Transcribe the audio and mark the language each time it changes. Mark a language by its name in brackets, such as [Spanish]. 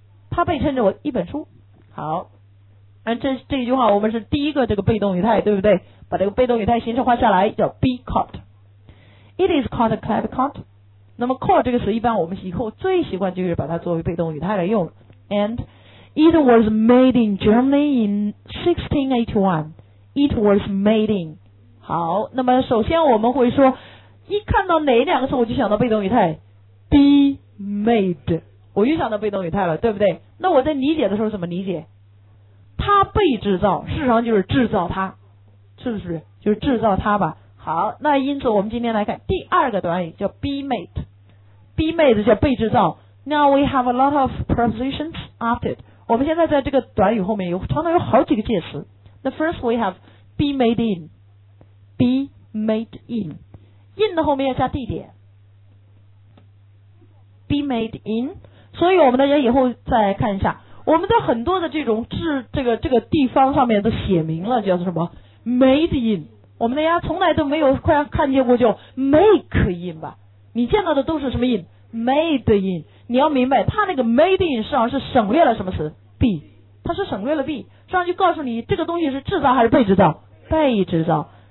[Chinese] 它被称之为一本书。好，这句话我们是第一个这个被动语态，对不对？把这个被动语态形式化下来叫 be called。 [English] It is called a clap card。 [Chinese] 那么 call 这个词一般我们以后最习惯就是把它作为被动语态来用。 [English] And it was made in Germany in 1681. It was made in。 [Chinese] 好，那么首先我们会说一看到哪两个词我就想到被动语态 be made， 我又想到被动语态了，对不对？那我在理解的时候怎么理解？它被制造，事实上就是制造它，是不是？就是制造它吧。好，那因此我们今天来看第二个短语叫 be made。 be made 叫被制造。 [English] Now we have a lot of prepositions after it。 [Chinese] 我们现在在这个短语后面有常常有好几个介词。 [English] The first we have be made in。 be made in， in [Chinese] 的后面要加地点， [English] be made in。 [Chinese] 所以我们大家以后再看一下，我们在很多的这种这个地方上面都写明了叫什么 made in， 我们大家从来都没有看见过叫 make in 吧，你见到的都是什么 in， made in。你要明白它那个 made in 实际上是省略了什么词？be， 它是省略了 be， 实际上就告诉你这个东西是制造还是被制造，被制造。